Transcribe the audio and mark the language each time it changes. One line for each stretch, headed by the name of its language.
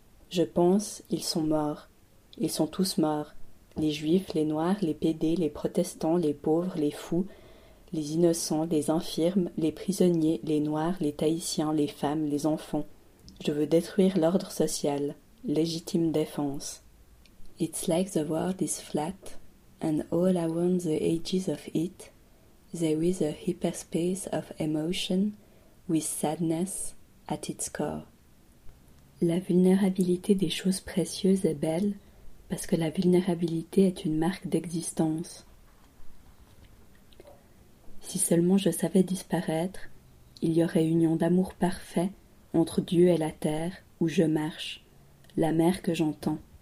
French: Je pense, ils sont morts. Ils sont tous morts. Les juifs, les noirs, les pédés, les protestants, les pauvres, les fous, les innocents, les infirmes, les prisonniers, les noirs, les tahitiens, les femmes, les enfants. Je veux détruire l'ordre social. Légitime défense.
English: It's like the world is flat, and all around the edges of it, there is a hyperspace of emotion with sadness, at its core.
French: La vulnérabilité des choses précieuses est belle parce que la vulnérabilité est une marque d'existence. Si seulement je savais disparaître, il y aurait union d'amour parfait entre Dieu et la terre où je marche, la mer que j'entends.